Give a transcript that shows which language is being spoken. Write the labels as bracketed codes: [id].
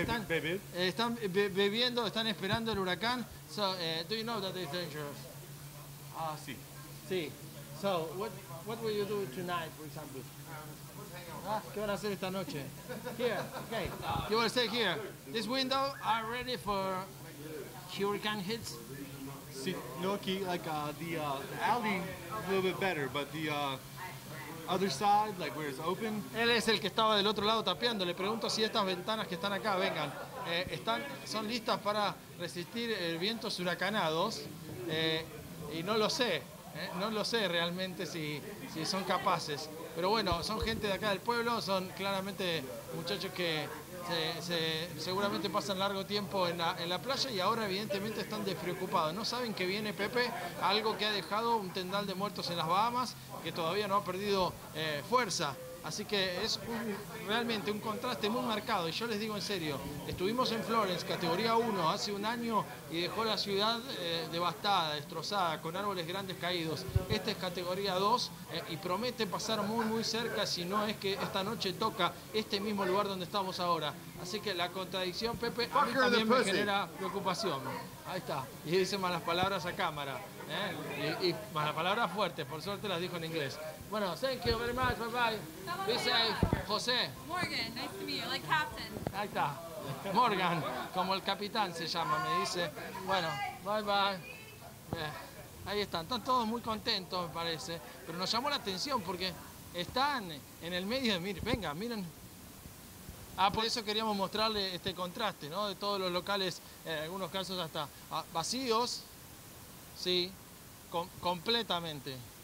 [es] Están, bebiendo, están esperando el huracán. [en] So, do you know that it's dangerous? [es] Ah, sí. Sí. [en] So, what will you do tonight, for example? [es] ¿Qué van a hacer esta noche? [en] Here, okay. You will stay here. This window are ready for hurricane hits. [es] Sí, no, aquí, [en] like the alley a little bit better, but the other side, like where it's open. [es] Él es el que estaba del otro lado tapeando. Le pregunto si estas ventanas que están acá, vengan, son listas para resistir vientos huracanados. Y no lo sé, no lo sé realmente si son capaces. Pero bueno, son gente de acá del pueblo, son claramente muchachos que seguramente pasan largo tiempo en la playa y ahora evidentemente están despreocupados. No saben que viene Pepe, algo que ha dejado un tendal de muertos en las Bahamas, que todavía no ha perdido fuerza. Así que es realmente un contraste muy marcado. Y yo les digo en serio, estuvimos en Florence, categoría 1, hace un año y dejó la ciudad devastada, destrozada, con árboles grandes caídos. Esta es categoría 2 y promete pasar muy, muy cerca si no es que esta noche toca este mismo lugar donde estamos ahora. Así que la contradicción, Pepe, a mí también me genera preocupación. Ahí está. Y dice malas palabras a cámara. Y malas palabras fuertes, por suerte las dijo en inglés. Bueno, [en] thank you very much, bye bye. Be safe, José. Morgan, nice to meet you, like captain. [es] Ahí está. Morgan, como el capitán se llama, me dice. Bueno, bye bye. Ahí están. Están todos muy contentos, me parece. Pero nos llamó la atención porque están en el medio de... Miren, venga, miren. Ah, por eso queríamos mostrarle este contraste, ¿no? De todos los locales, en algunos casos hasta vacíos, sí, completamente.